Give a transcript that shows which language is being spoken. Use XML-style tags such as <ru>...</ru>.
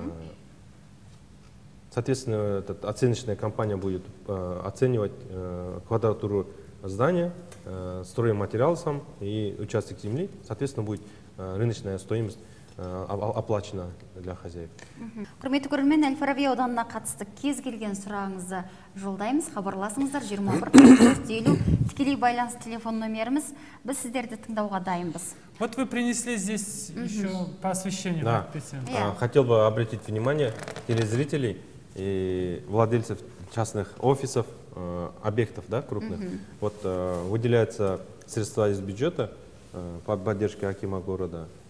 <ru>Uh-huh. Соответственно, оценочная компания будет оценивать квадратуру здания, стройматериал сам и участок земли. Соответственно, будет рыночная стоимость оплачена для хозяев.</ru> <kk>Құрметті көрермен, Әл-Фараби ауданына қатысты кез келген сұрағыңызды жолдаймыз. Хабарласыңыздар 21-40-50 тікелей байланыс телефон номеріміз. Біз сіздерді тыңдауға дайынбыз.</kk> <ru>Вот вы принесли здесь еще по освещению. Да. Хотел бы обратить внимание телезрителей и владельцев частных офисов, объектов, да, крупных. Вот выделяются средства из бюджета по поддержке акима города.</ru>